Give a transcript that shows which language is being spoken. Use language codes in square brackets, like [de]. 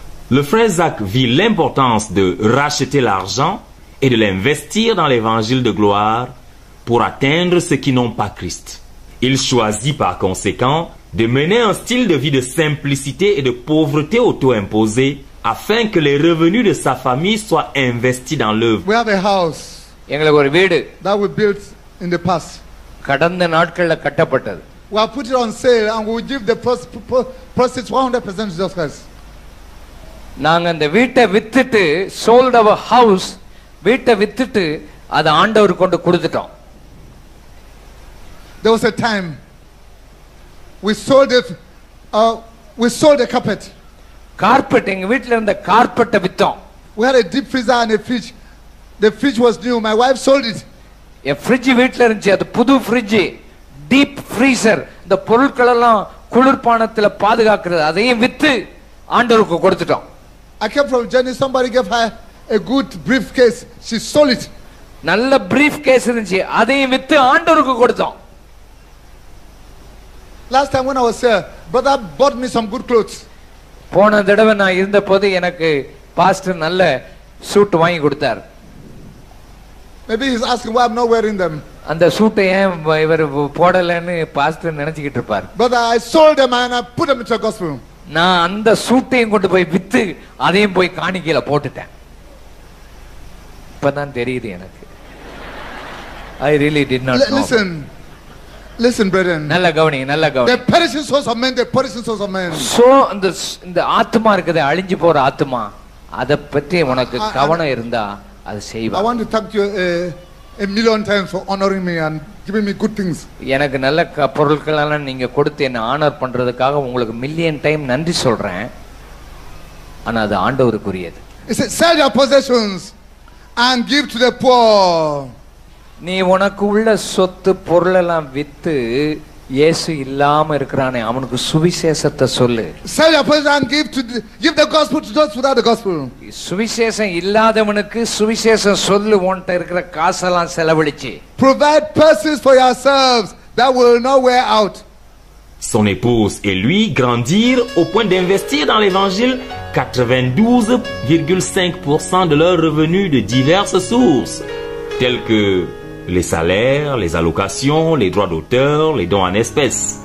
[fr] Le frère Zach vit l'importance de racheter l'argent et de l'investir dans l'évangile de gloire pour atteindre ceux qui n'ont pas Christ. Il choisit par conséquent de mener un style de vie de simplicité et de pauvreté auto-imposée afin que les revenus de sa famille soient investis dans l'œuvre. [en] We have a house that we built in the past. [ta] கடந்த நாட்களில் கட்டப்பட்டது. [en] We have put it on sale and we will give the proceeds 100% to Jesus Christ. [ta] நாங்கள் வீட்டை வித்துட்டு [en] sold our house, [ta] வீட்டை வித்துட்டு அதை ஆண்டவர் கொண்டு கொடுத்துட்டோம். [en] There was a time we sold a carpet. [ta] Carpet, எங்க வீட்டில் இருந்த கார்பெட்டை வித்தோம். [en] We had a deep freezer and a fridge. The fridge was new. My wife sold it. [ta] A fridge வீட்டில் இருந்துச்சு, அது புது fridge. Deep freezer, இந்த பொருட்கள் எல்லாம் குளிர்பானத்தில் பாதுகாக்கிறது, அதையும் வித்து ஆண்டவருக்கு கொடுத்துட்டோம். [en] I came from Germany, somebody gave her a good briefcase, she sold it. [ta] நல்ல briefcase இருந்துச்சு, அதையும் வித்து ஆண்டவருக்கு கொடுத்தோம். [en] Last time when I was here, brother bought me some good clothes. [ta] போன தடவை நான் இருந்த போது எனக்கு பாஸ்டர் நல்ல சூட் வாங்கி கொடுத்தார். [en] Maybe he's asking why I'm not wearing them. [ta] அந்த சூட்டை ஏன் இவர் போடலன்னு பாஸ்டர் நினைச்சிட்டு இருப்பார். [en] Brother, I sold them and I put them into the gospel. [ta] நான் அந்த சூட்டையும் கொண்டு போய் வித்து அதையும் போய் காணிக்கையில போட்டுட்டேன். இப்பதான் தெரியுது எனக்கு. [en] I really did not know. Listen, brethren. [ta] நல்ல கவனி, நல்ல கவனி. [en] The perishing souls of men, the perishing souls of men. [ta] So இந்த ஆத்மா இருக்குதே, அழிஞ்சு போற ஆத்மா, அத பத்தி உனக்கு கவனம் இருந்தா அது செய்வா. [en] I want to thank you a million times for honoring me and giving me good things. [ta] எனக்கு நல்ல பொருட்களால நீங்க கொடுத்து என்ன ஆனர் பண்றதுக்காக உங்களுக்கு மில்லியன் டைம் நன்றி சொல்றேன். ஆனா அது ஆண்டவருக்குரியது. [en] Sell your possessions and give to the poor. [ta] நீ உனக்கு உள்ள சொத்து பொருளெல்லாம் வித்து இயேசு இல்லாம இருக்கானே அவனுக்கு சுவிசேஷத்தை சொல்லு. [en] Sell your possessions and give the gospel to those without the gospel. [ta] சுவிசேஷம் இல்லாதவனுக்கு சுவிசேஷம் சொல்லு. உன்கிட்ட இருக்கிற காசெல்லாம் செலவழிச்சு. [en] Provide purses for yourselves that will not wear out. [fr] Son épouse et lui grandirent au point d'investir dans l'évangile 92,5% de leurs revenus de diverses sources, tels que les salaires, les allocations, les droits d'auteur, les dons en espèces.